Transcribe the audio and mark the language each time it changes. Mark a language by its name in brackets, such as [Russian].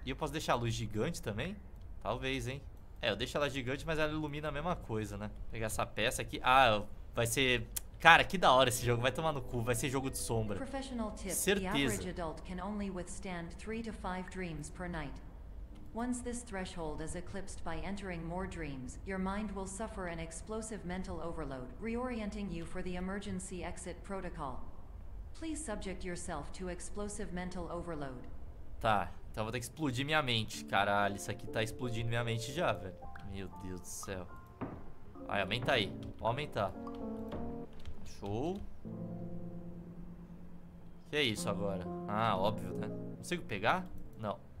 [Portuguese] E eu posso deixar a luz gigante também? Talvez, hein? É, eu deixo ela gigante, mas ela ilumina a mesma coisa, né? Pegar essa peça aqui. Ah, vai ser... Cara, que da hora esse jogo. Vai tomar no cu. Vai ser jogo de sombra. Professional tip. Certeza. O adulto pode apenas withstand 3 a 5 dreams por noite. [English] Once this threshold is eclipsed by entering more dreams, your mind will suffer an explosive mental overload, reorienting you for the emergency exit protocol. Please subject yourself to explosive mental overload. [Portuguese] Tá, então vou ter que explodir minha mente. Caralho, isso aqui tá explodindo minha mente já, velho. Meu Deus do céu. Vai, aumenta aí. Vou aumentar. Show. Que é isso agora? Ah, óbvio, né? Consigo pegar? Não.